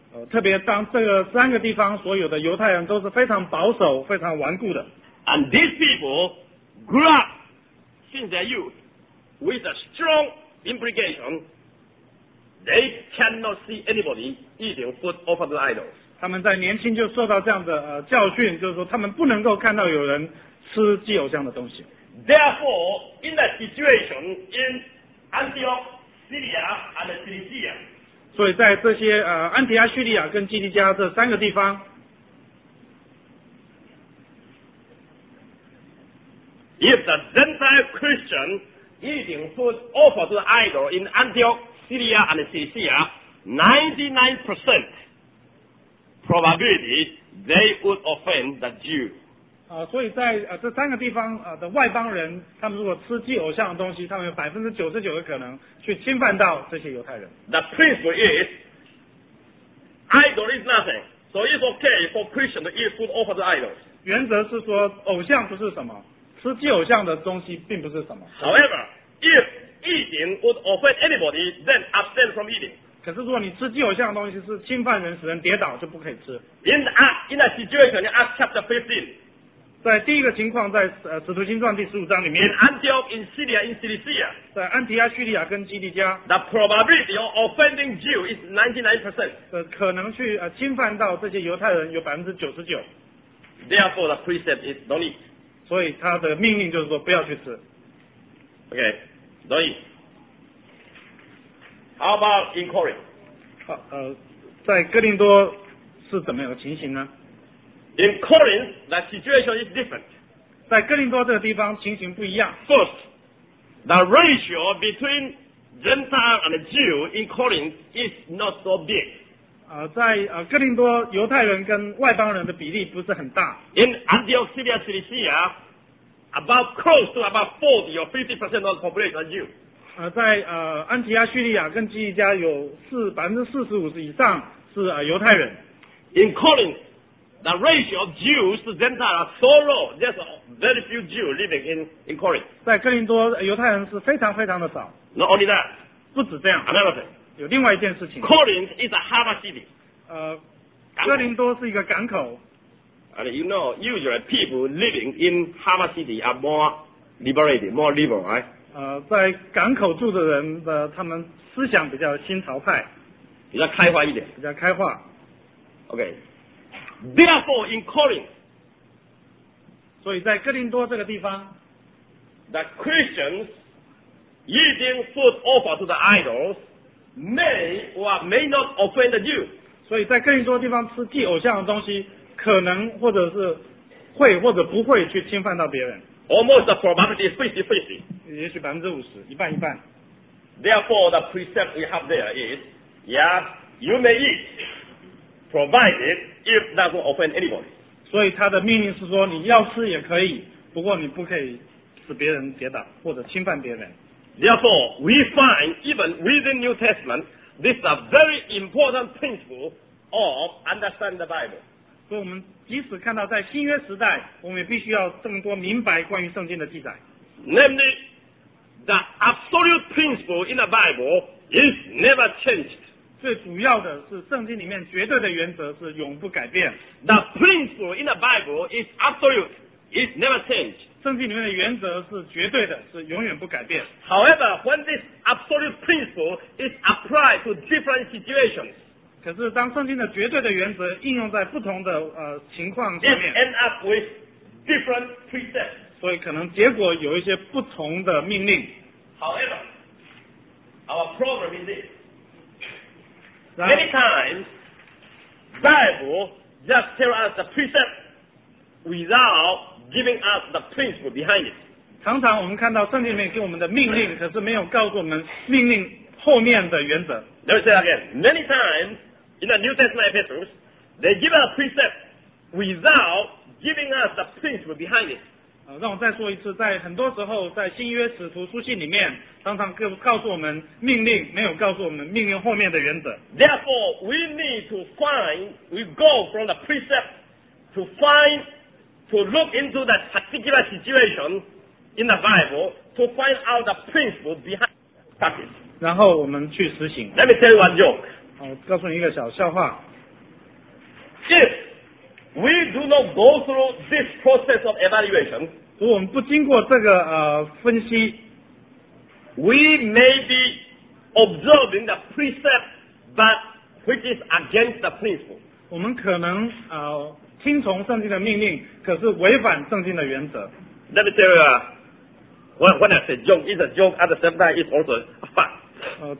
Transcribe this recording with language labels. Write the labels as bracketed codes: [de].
[zh] 特别当这个三个地方所有的犹太人都是非常保守非常顽固的 [en] and these people grew up since their youth with a strong implication they cannot see anybody eating food offered to idols [zh] 他们在年轻就受到这样的教训就是说他们不能够看到有人吃祭偶像的东西 [en] therefore in that situation in Antioch Syria and Cilicia [zh] 所以在这些安提阿叙利亚跟基利加这三个地方 [en] If the Gentile Christian eating food offered to the idol in Antioch, Syria and Cilicia 99% probability they would offend the Jew [zh] 所以在这三个地方的外邦人他们如果吃祭偶像的东西他们有 99% 的可能去侵犯到这些犹太人 [en] The principle is idol is nothing so it's okay for Christian to eat food offered to idols [zh] 原则是说偶像不是什么吃祭偶像的东西并不是什么 [en] However if eating would offend anybody then abstain from eating [zh] 可是如果你吃既有像的东西是侵犯人，使人跌倒，就不可以吃。 [en] In a situation in Acts chapter 15, [zh] 在第一个情况，在使徒行传第十五章里面。 [en] In Antioch, in Syria, in Cilicia, [zh] 在安提阿、叙利亚跟基利加。 [en] The probability of offending Jew is 99%. [zh] 可能去侵犯到这些犹太人有 99%。 [en] Therefore, the precept is don't eat. [zh] 所以他的命令就是说不要去吃。 [en] Okay, don't eat. How about in Corinth? [zh] 在哥林多是怎么样的情形呢？ [en] In Corinth, the situation is different. [zh] 在哥林多这个地方情形不一样。 [en] First, the ratio between Gentile and Jew in Corinth is not so big. [zh] 在哥林多犹太人跟外邦人的比例不是很大。 [en] In Antioch, Syria, Cilicia, about close to about 40 or 50% of the population are Jew. [zh] 在安提阿、叙利亚跟基利加有40%-45%以上是犹太人。 [en] In Corinth, the ratio of Jews to Gentiles are so low. There's very few Jews living in Corinth. [zh] 在哥林多，犹太人是非常非常的少。 [en] Not only that, [zh] 不止这样。 [en] Another thing, [zh] 有另外一件事情。 [en] Corinth is a harbor city. [zh] 哥林多是一个港口。 [en] And you know, usually people living in harbor city are more liberal, right? [zh] 在港口住的人的他们思想比较新潮派，比较开化一点，比较开化。 [en] OK, therefore in Corinth, [zh] 所以在哥林多这个地方 [en] ，the Christians eating food offered to the idols may or may not offend you. [zh] 所以在哥林多地方吃祭偶像的东西，可能或者是会或者不会去侵犯到别人。 [en] Almost the probability is 50-50. [zh] 也许50%，一半一半。 [en] Therefore, the precept we have there is, yeah, you may eat, provided if that will offend anybody. [zh] 所以他的命令是说，你要吃也可以，不过你不可以使别人跌倒或者侵犯别人。 [en] Therefore, we find even within New Testament, this is a very important principle of understanding the Bible. [zh] 所以我们即使看到在新约时代，我们也必须要更多明白关于圣经的记载。 [en] Namely, the absolute principle in the Bible is never changed. [zh] 最主要的是圣经里面绝对的原则是永不改变。 [en] The principle in the Bible is absolute, is never changed. [zh] 圣经里面的原则是绝对的，是永远不改变。 [en] However, when this absolute principle is applied to different situations, [zh] 可是当圣经的绝对的原则应用在不同的情况下面 [en] it end up with different precepts. [zh] 所以可能结果有一些不同的命令。 [en] However, our problem is this. Many times, Bible just tells us the precept without giving us the principle behind it. [zh] 常常我们看到圣经里面给我们的命令，可是没有告诉我们命令后面的原则。 [en] Let me say again. Many times in the New Testament epistles, they give us precept without giving us the principle behind it. [zh] 让我再说一次，在很多时候，在新约使徒书信里面，常常告诉我们命令，没有告诉我们命令后面的原则。 [en] Therefore, we need to find, we go from the precept to find, to look into that particular situation in the Bible to find out the principle behind it. [zh] 然后我们去实行。 [en] Let me tell you one joke. [zh] 我告诉你一个小笑话。 [en] If we do not go through this process of evaluation, [zh] 如果我们不经过这个分析 [en] we may be observing the precept but which is against the principle. [zh] 我们可能听从圣经的命令，可是违反圣经的原则。 [en] Let me tell you, when I say joke, it's a joke, at the same time it's also a fact.